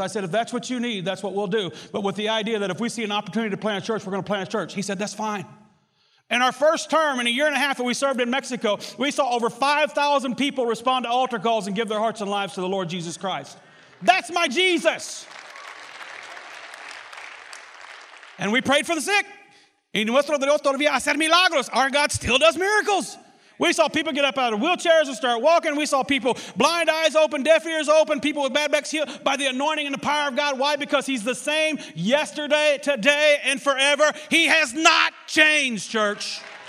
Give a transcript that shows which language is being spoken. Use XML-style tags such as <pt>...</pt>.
<en>I said, if that's what you need, that's what we'll do. But with the idea that if we see an opportunity to plant a church, we're going to plant a church. He said, that's fine. In our first term, in a year and a half that we served in Mexico, we saw over 5,000 people respond to altar calls and give their hearts and lives to the Lord Jesus Christ. That's my Jesus. And we prayed for the sick.</en> <es>Y nuestro Dios todavía hace milagros.</es> <en>Our God still does miracles. We saw people get up out of wheelchairs and start walking. We saw people blind eyes open, deaf ears open, people with bad backs healed by the anointing and the power of God. Why? Because he's the same yesterday, today, and forever. He has not changed, church.</en>